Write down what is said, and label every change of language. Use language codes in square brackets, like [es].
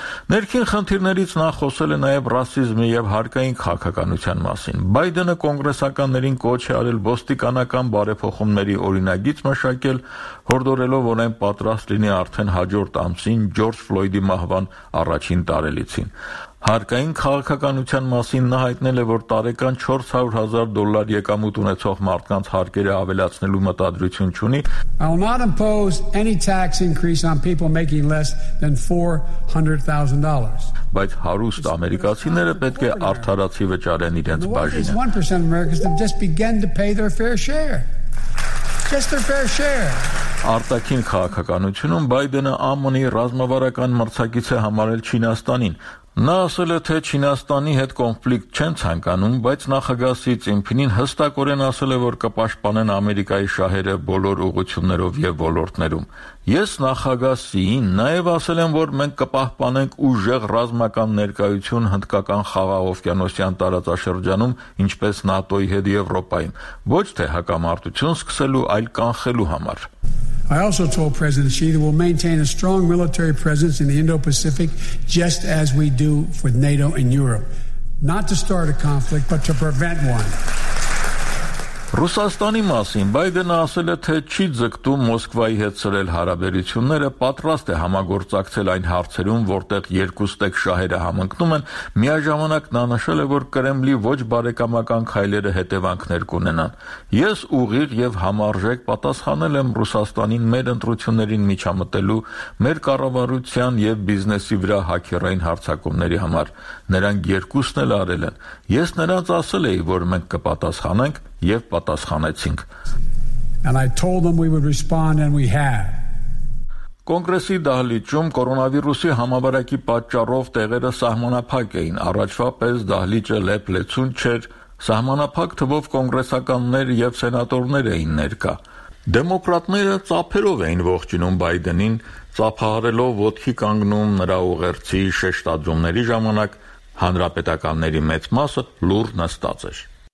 [hy] Ներքին խնդիրներից նա խոսել է նաև ռասիզմի և հարկային քաղաքականության մասին։ Բայդենը կոնգրեսականներին կոչ է արել ոստիկանական բարեփոխումների օրինագիծ մշակել, հորդորելով, որ այն պատրաստ լինի արդեն հաջորդ ամսին Ջորջ Ֆլոյդի մահվան առաջին տարելիցին։ Հարկային քաղաքականության մասին նա հայտնել է, որ տարեկան $400,000 եկամուտ ունեցող մարդկանց հարկերը ավելացնելու մտադրություն չունի. [en] I will not impose any tax increase on people making less than $400,000. [hy] Բայց հարուստ ամերիկացիները պետք է արդարացի վճարեն իրենց բաժինը. [en] 1% of Americans have just begun to pay their fair share. Just their fair share. [hy] Արտաքին քաղաքականությունում Բայդենը ԱՄՆ-ի ռազմավարական մրցակից է համարել Չինաստանին։ Նա ասել է, թե Չինաստանի հետ կոնֆլիկտ չեն ցանկանում, բայց նախագահ Սի Ցինփինին հստակորեն ասել է, որ կպաշտպանեն Ամերիկայի շահերը բոլոր ուղություններով և ոլորտներում։ Ես նախագահ Սիին նաև ասել եմ, որ մենք կպահպանենք ուժեղ ռազմական ներկայություն Հնդկական խաղաօվկիանոսյան տարածաշրջանում, ինչպես ՆԱՏՕ-ի հետ Եվրոպայում, ոչ թե հակամարտություն սկսելու, այլ կանխելու համար։ [en] I also told President Xi that we'll maintain a strong military presence in the Indo-Pacific just as we do for NATO and Europe. Not to start a conflict, but to prevent one. [hy] Ռուսաստանի մասին Բայդենը ասել է, թե չի ձգտում Մոսկվայի հետ սրել հարաբերությունները, պատրաստ է համագործակցել այն հարցերում, որտեղ երկուստեք շահերը համընկնում են, միաժամանակ նա նշել է, որ Կրեմլի ոչ բարեկամական քայլերը հետևանքներ կունենան։ Ես ուղիղ և համարժեք պատասխանել եմ Ռուսաստանին մեր ընտրություններին միջամտելու, մեր կառավարության և բիզնեսի վրա հաքերային հարձակումների համար։ Նրանք երկուսն էլ արել են։ Ես նրանց ասել էի, որ մենք կպատասխանենք, և պատասխանեցինք։ [en] And I told them we would respond and we have. [hy] Կոնգրեսի դահլիճում կորոնավիրուսի համավարակի պատճառով տեղերը սահմանափակ էին, առաջվա պես դահլիճը լեփ-լեցուն չէր, սահմանափակ թվով կոնգրեսականներ և սենատորներ էին ներկա։ Դեմոկրատները ծափերով էին ողջունում Բայդենին, ծափահարելով ոտքի կանգնում նրա ուղերձի շեշտադրումների ժամանակ, հանրապետականների մեծ մասը լուռ նստած էր։